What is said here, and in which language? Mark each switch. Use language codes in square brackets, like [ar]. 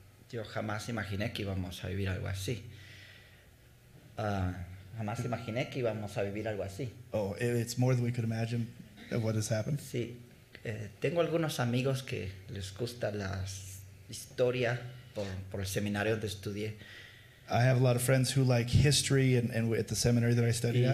[es] Yo jamás imaginé que íbamos a vivir algo así. Jamás imaginé que íbamos a vivir algo así. [en] Oh, it's more than we could imagine of what has happened. [es] Sí. Tengo algunos amigos que les gusta la historia por el seminario donde estudié. [en] I have a lot of friends who like history and at the seminary that I studied at.